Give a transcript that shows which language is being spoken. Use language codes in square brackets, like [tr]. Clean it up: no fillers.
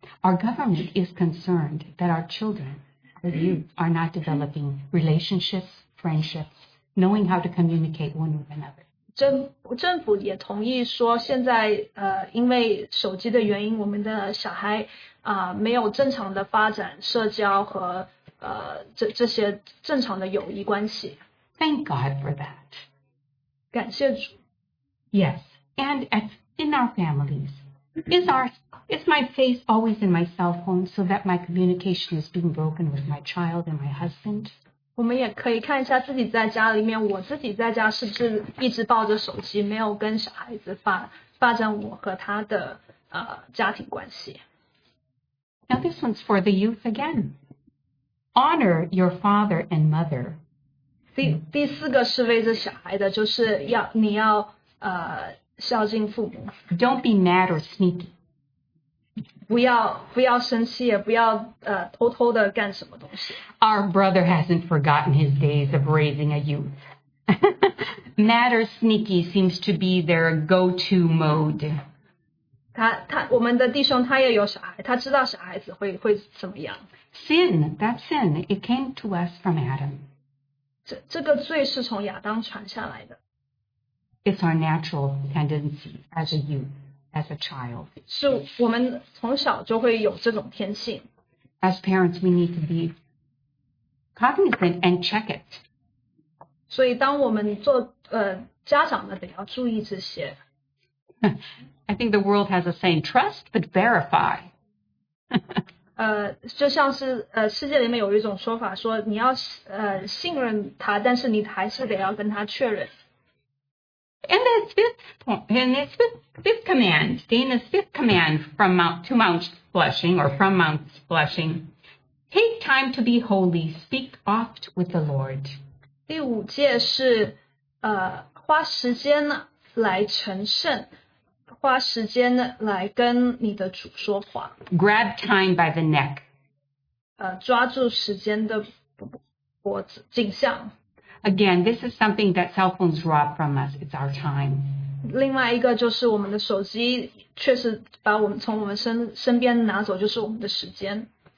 [en] Our government is concerned that our children, our youth, are not developing relationships, friendships, knowing how to communicate one with another. [zh] 政府也同意说，现在因为手机的原因，我们的小孩没有正常的发展社交和。这些正常的友谊关系。 [en] Thank God for that. [zh] 感谢主。 [en] Yes, and in our families, is my face always in my cell phone so that my communication is being broken with my child and my husband? [zh] 我们也可以看一下自己在家里面，我自己在家是不是一直抱着手机，没有跟小孩子发展我和他的家庭关系。 [en] Now this one's for the youth again. Honor your father and mother. [zh] 第四个是为着小孩的，就是要你要孝敬父母。 [en] Don't be mad or sneaky. [zh] 不要生气，也不要偷偷的干什么东西。 [en] Our brother hasn't forgotten his days of raising a youth. Mad or sneaky seems to be their go-to mode. [zh] 他我们的弟兄他也有小孩，他知道小孩子会怎么样。 [en] Sin, that sin, it came to us from Adam. [zh] 这个罪是从亚当传下来的。 [en] It's our natural tendency as a youth, as a child. [zh] 是我们从小就会有这种天性。 [en] As parents, we need to be cognizant and check it. [zh] 所以当我们做家长的得要注意这些。 [en] I think the world has a saying, trust but verify. [zh] 就像是世界里面有一种说法说你要信任他但是你还是得要跟他确认。 [en] And the fifth command, Dana's fifth command to Mount's blessing or from Mount's blessing, take time to be holy, speak oft with the Lord. [zh] 第五戒是花时间来成圣，花时间来跟你的主说话。 [en] Grab time by the neck. [zh] 抓住时间的脖子，颈项。 [en] Again, this is something that cell phones rob from us. It's our time. [zh] 另外一个就是我们的手机确实把我们从我们身边拿走，就是我们的时间。